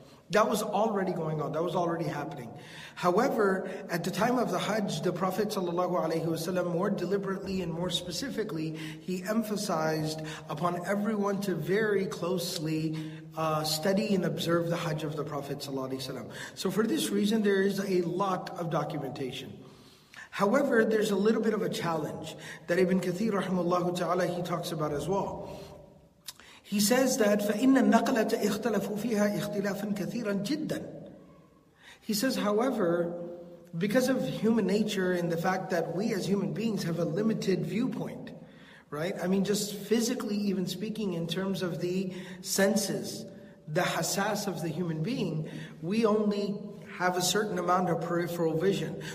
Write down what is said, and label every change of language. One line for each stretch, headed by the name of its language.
English: That was already going on. That was already happening. However, at the time of the Hajj, the Prophet ﷺ more deliberately and more specifically, he emphasized upon everyone to very closely study and observe the Hajj of the Prophet ﷺ. So for this reason, there is a lot of documentation. However, there's a little bit of a challenge that Ibn Kathir rahimahullahu ta'ala, he talks about as well. He says that
Arabic: فَإِنَّ النَّقْلَةَ اِخْتَلَفُوا فِيهَا اِخْتِلَافًا كَثِيرًا جِدًّا.
English: He says, however, because of human nature and the fact that we as human beings have a limited viewpoint, right? I mean, just physically even speaking in terms of the senses, the hassas of the human being, we only have a certain amount of peripheral vision.